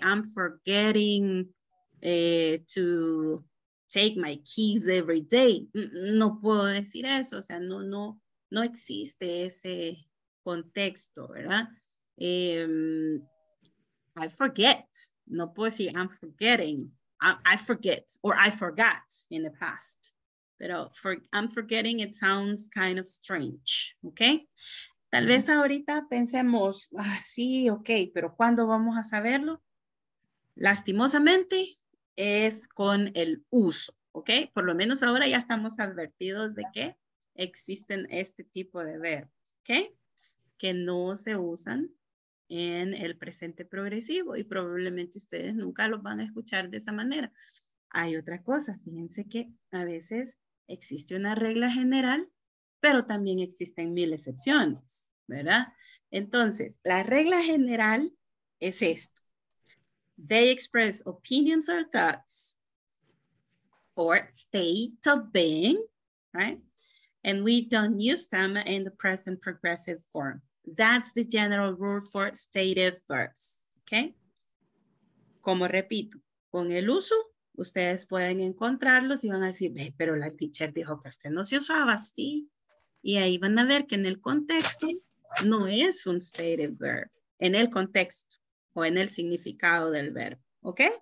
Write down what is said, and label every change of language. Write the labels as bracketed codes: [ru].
[en] I'm forgetting to take my keys every day. [es] No puedo decir eso, o sea, no existe ese contexto, ¿verdad? [en] I forget. [es] No puedo decir [en] I'm forgetting. I forget or I forgot in the past. Pero I'm forgetting, it sounds kind of strange, ¿ok? [es] Tal vez ahorita pensemos, ah, sí, ok, pero ¿cuándo vamos a saberlo? Lastimosamente, es con el uso, ¿ok? Por lo menos ahora ya estamos advertidos de que existen este tipo de verbos, ¿ok? Que no se usan en el presente progresivo y probablemente ustedes nunca los van a escuchar de esa manera. Hay otra cosa, fíjense que a veces existe una regla general, pero también existen mil excepciones, ¿verdad? Entonces, la regla general es esto. [en] They express opinions or thoughts or state of being, right? And we don't use them in the present progressive form. That's the general rule for stated verbs, okay? [es] Como repito, con el uso, ustedes pueden encontrarlos y van a decir, hey, pero la teacher dijo que este no se usaba, sí. Y ahí van a ver que en el contexto no es un stated verb, en el contexto o en el significado del verbo, ¿ok?